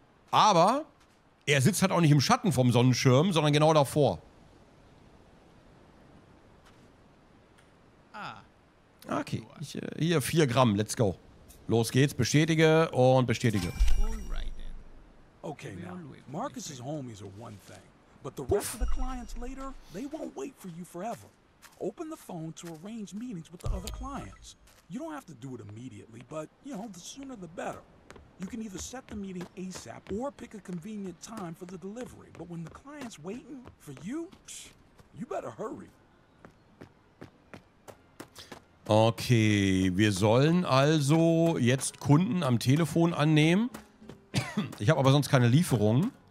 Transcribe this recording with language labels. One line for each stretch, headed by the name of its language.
German: Aber er sitzt halt auch nicht im Schatten vom Sonnenschirm, sondern genau davor. Ah. Okay, ich, hier 4 Gramm,
English: let's go.
German: Los geht's, bestätige und bestätige.
English: Okay, now, Marcus's homies are one thing, but the rest of the clients later, they won't wait for you forever. Open the phone to arrange meetings with the other clients. You don't have to do it immediately, but, you know, the sooner the better. You can either set the meeting ASAP or pick a convenient time for the delivery, but when the client's waiting for you, you better hurry.
German: Okay, wir sollen also jetzt Kunden am Telefon annehmen. Ich habe aber sonst keine Lieferung.